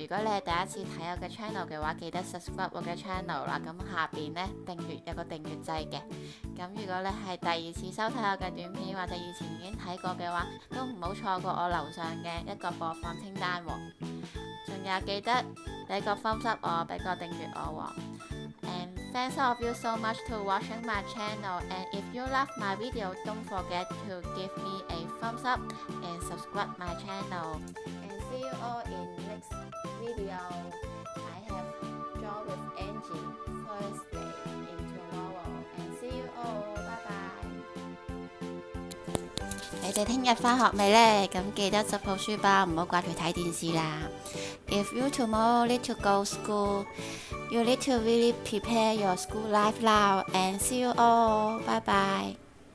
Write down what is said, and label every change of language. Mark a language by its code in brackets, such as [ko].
[yue] 如果你系第一次睇我嘅 channel 嘅话，记得 subscribe 我嘅 channel 啦。咁下边咧订阅有个订阅制嘅。咁如果你系第二次收睇我嘅短片，或者以前已经睇过嘅话，都唔好错过我楼上嘅一个播放清单喎。仲有记得俾个 [en] thumbs up [yue] 我，俾个订阅我喎。 [en] And thanks all of you so much to watching my channel. And if you love my video, don't forget to give me a thumbs up and subscribe my channel. And see you all in next video. I have drawn with Angie first day in tomorrow. And see you all. Bye bye. [yue] 你哋听日翻学未咧？咁记得执好书包，唔好挂住睇电视啦。 [en] If you tomorrow need to go school, you need to really prepare your school life now. And see you all. Bye bye.